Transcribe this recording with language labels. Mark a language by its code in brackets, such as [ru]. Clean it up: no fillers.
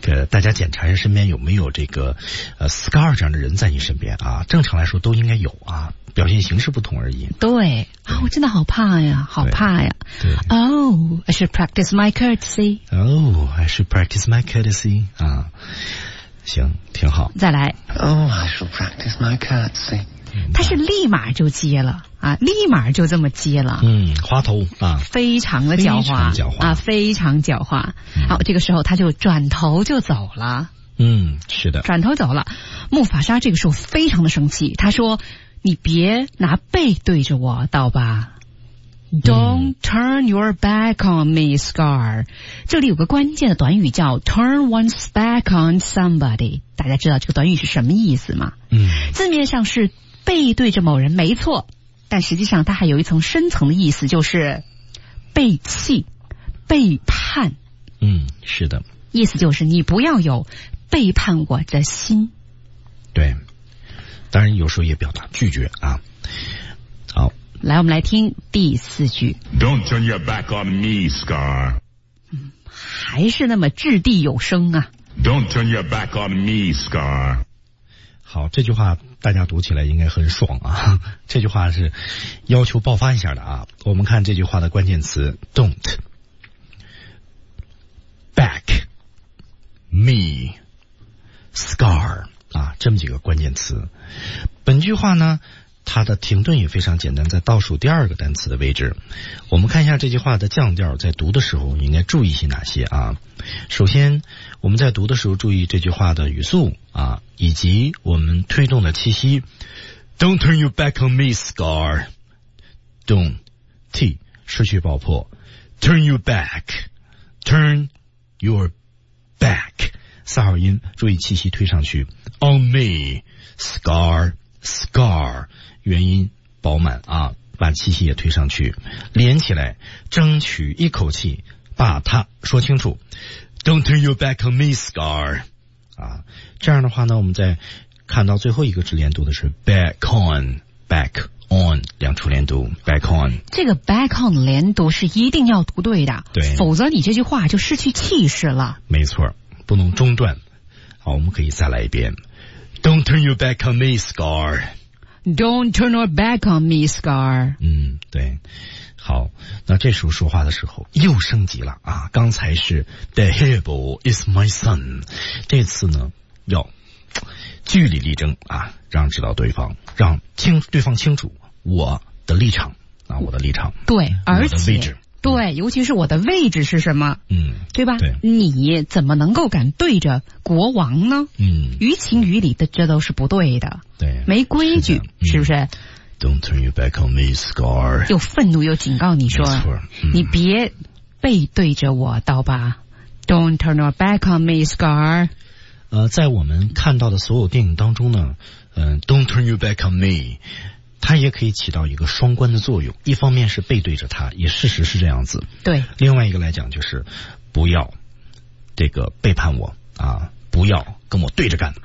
[zh] 大家检查一下身边有没有这个Scar 这样的人在你身边啊，正常来说都应该有啊，表现形式不同而已。对啊，我真的好怕呀，好怕呀。对。 [en] Oh, I should practice my courtesy. Oh, I should practice my courtesy. [zh] 啊，行，挺好。再来。 [en] Oh, I should practice my courtesy. [zh] 他是立马就接了啊，立马就这么接了。嗯，滑头啊。非常的狡猾。非常狡猾。啊，非常狡猾。好，这个时候他就转头就走了。嗯，是的。转头走了。穆法沙这个时候非常的生气，他说，你别拿背对着我，道吧。 [en] Don't turn your back on me, Scar. [zh] 这里有个关键的短语叫 [en] turn one's back on somebody. [zh] 大家知道这个短语是什么意思吗？嗯，字面上是背对着某人没错，但实际上它还有一层深层的意思，就是背弃、背叛。嗯，是的。意思就是你不要有背叛我的心。对。当然有时候也表达拒绝啊。好，来，我们来听第四句。 [en] Don't turn your back on me, Scar. [zh] 还是那么掷地有声啊。 [en] Don't turn your back on me, Scar. [zh] 好，这句话大家读起来应该很爽啊，这句话是要求爆发一下的啊。我们看这句话的关键词 [en] Don't back me, Scar. [zh] 啊，这么几个关键词。本句话呢，它的停顿也非常简单，在倒数第二个单词的位置。我们看一下这句话的降调，在读的时候应该注意些哪些啊？首先，我们在读的时候注意这句话的语速啊，以及我们推动的气息。 [en] Don't turn your back on me, Scar. Don't, T, [zh] 失去爆破。 [en] Turn your back, turn your back. [zh] 四号音，注意气息推上去。 [en] On me, scar, scar, [zh] 元音饱满啊，把气息也推上去，连起来，争取一口气把它说清楚。 [en] Don't turn your back on me, scar, [zh] 啊，这样的话呢，我们再看到最后一个直连读的是 [en] back on, back on, [zh] 两处连读 back on。这个 [en] back on [zh] 连读是一定要读对的，对，否则你这句话就失去气势了。没错。不能中断。好，我们可以再来一遍。 [en] Don't turn your back on me, Scar. Don't turn your back on me, Scar. [zh] 嗯，对。好，那这时候说话的时候又升级了啊，刚才是 [en] The Hebo is my son. [zh] 这次呢要据理力争啊，让知道对方，让对方清楚我的立场啊，我的立场。对，而且我的位置。对，尤其是我的位置是什么，嗯，对吧？对，你怎么能够敢对着国王呢？嗯，于情于理的，这都是不对的，对，没规矩， 是不是？ [en] Don't turn your back on me, Scar. [zh] 又愤怒又警告你说，没错，你别背对着我，刀疤。 [en] Don't turn your back on me, Scar. [zh] 在我们看到的所有电影当中呢， [en] Don't turn your back on me， [zh] 它也可以起到一个双关的作用。一方面是背对着他，也事实是这样子。对。另外一个来讲就是，不要这个背叛我啊，不要跟我对着干。